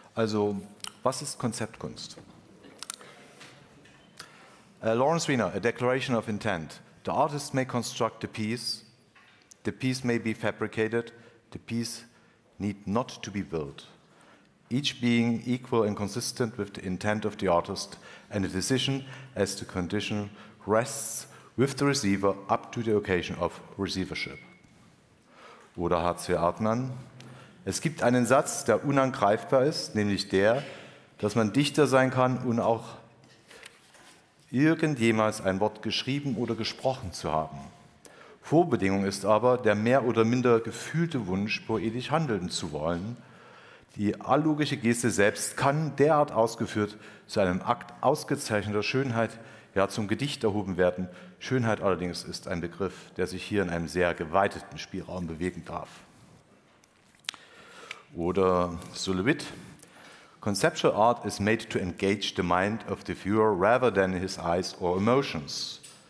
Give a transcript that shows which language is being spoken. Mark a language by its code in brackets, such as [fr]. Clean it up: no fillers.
[de] Also, was ist Konzeptkunst? [en] Lawrence Wiener, A Declaration of Intent. The artist may construct a piece. The piece may be fabricated. The piece need not to be built. Each being equal and consistent with the intent of the artist, and the decision as to condition rests with the receiver up to the occasion of receivership. [de] Oder H.C. Hartmann. Es gibt einen Satz, der unangreifbar ist, nämlich der, dass man Dichter sein kann und auch irgendjemals ein Wort geschrieben oder gesprochen zu haben. Vorbedingung ist aber der mehr oder minder gefühlte Wunsch, poetisch handeln zu wollen. Die allogische Geste selbst kann derart ausgeführt zu einem Akt ausgezeichneter Schönheit, ja zum Gedicht erhoben werden. Schönheit allerdings ist ein Begriff, der sich hier in einem sehr geweiteten Spielraum bewegen darf. Oder Sulewit. [en] Conceptual art is made to engage the mind of the viewer rather than his eyes or emotions.